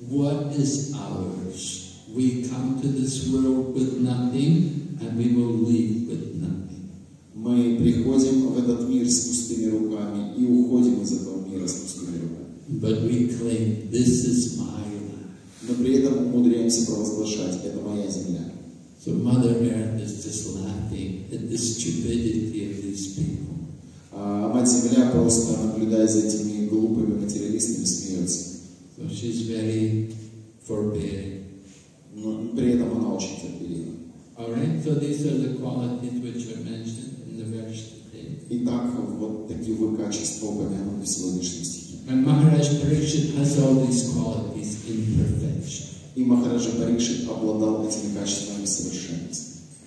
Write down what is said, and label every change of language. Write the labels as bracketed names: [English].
[English] What is ours? We come to this world with nothing, and we will leave with nothing. [Russian] Мы приходим в этот мир с пустыми руками и уходим из этого мира с пустыми руками. [English] But we claim this is my land. [Russian] Но при этом умудряемся провозглашать, это моя земля. [English] So Mother Earth is just laughing at the stupidity of these people. [Russian] А мать земля просто наблюдая за этими глупыми материалистами смеется. [English] So she's very forbearing. [Russian] Но при этом она очень терпелива. [English] All right, so these are the qualities which are mentioned in the verse today. [Russian] Итак, вот такие вы качества упомянуты в сегодняшнем стихе. [English] And Maharaj Parikshit has all these qualities in perfection. [Russian] И Махараджа Парикшит обладал этими качествами совершенства.